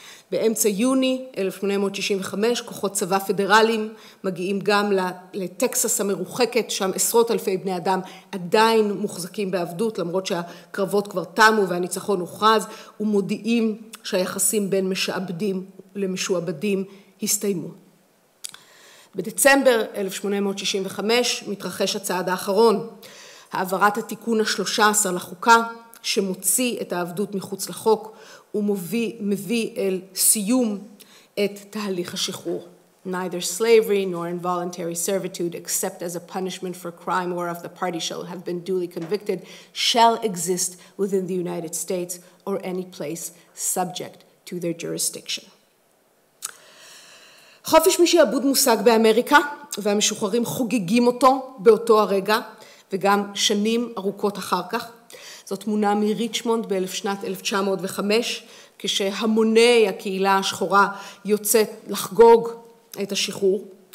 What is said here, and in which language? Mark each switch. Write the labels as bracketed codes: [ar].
[he] באמצע יוני 1865, כוחות צבא פדרליים מגיעים גם לטקסס המרוחקת, שם עשרות אלפי בני אדם עדיין מוחזקים בעבדות, למרות שהקרבות כבר תמו והניצחון הוכרז, ומודיעים שהיחסים בין משעבדים למשועבדים הסתיימו. בדצמבר 1865 מתרחש הצעד האחרון, העברת התיקון ה-13 לחוקה, שמוציא את העבדות מחוץ לחוק, ומביא אל סיום את תהליך השחרור. [en] Neither slavery nor involuntary servitude, except as a punishment for crime or of the party shall have been duly convicted, shall exist within the United States or any place subject to their jurisdiction. [he] חופש משעבוד מושג באמריקה, והמשוחררים חוגגים אותו באותו הרגע, וגם שנים ארוכות אחר כך. זאת תמונה מריצ'מונד בשנת 1905, כשהמוני הקהילה השחורה יוצאת לחגוג את השחרור.